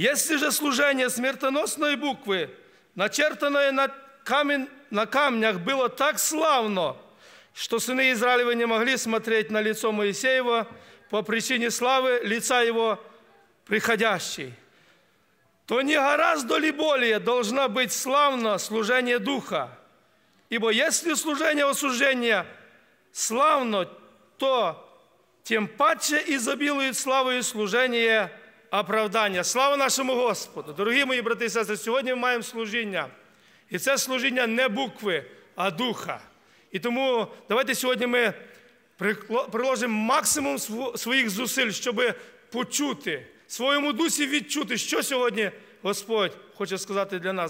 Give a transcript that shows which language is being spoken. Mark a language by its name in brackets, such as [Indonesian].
[Ukrainian] Якщо ж служення смертоносної букви, начертаної на камнях, було так славно, що сини Ізраїлеві [Russian] не могли смотреть на лицо Моїсеєва по причині слави лица його приходящей, то не гораздо ли более должна быть славна служение Духа? Ибо если служение осуждения славно, то тем паче изобилует славою служение оправдания. Слава нашему Господу! [Ukrainian] Дорогі мої брати і сестри, сьогодні ми маємо служіння. І це служіння не букви, а Духа. І тому давайте сьогодні ми приложимо максимум своїх зусиль, щоб почути, в своєму дусі відчути, що сьогодні Господь хоче сказати для нас.